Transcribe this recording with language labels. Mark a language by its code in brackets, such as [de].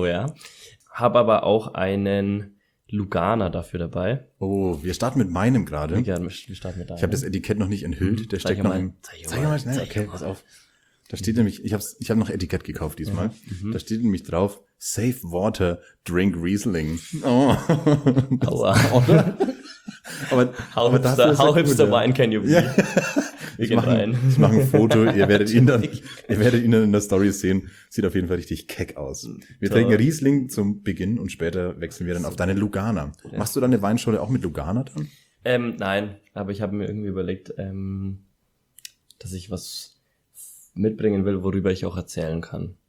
[de] Oh, ja. Habe aber auch einen Lugana dafür dabei. Oh, wir starten mit meinem gerade. Ja, wir starten mit deinem. Ich habe das Etikett noch nicht enthüllt. Der steckt noch im. Zeig mal. Pass auf. Da steht nämlich, ich habe noch Etikett gekauft diesmal. Mhm. Da steht nämlich drauf: [en] Safe Water, Drink Riesling. [de] Oh. Aua. Aber [en] how hipster wine can you be? Ja. [de] Ich mache ein Foto, ihr werdet ihn dann in der Story sehen. Sieht auf jeden Fall richtig keck aus. Wir trinken Riesling zum Beginn und später wechseln wir dann auf deine Lugana. Ja. Machst du deine Weinscholle auch mit Lugana dann? Nein, aber ich habe mir irgendwie überlegt, dass ich was mitbringen will, worüber ich auch erzählen kann.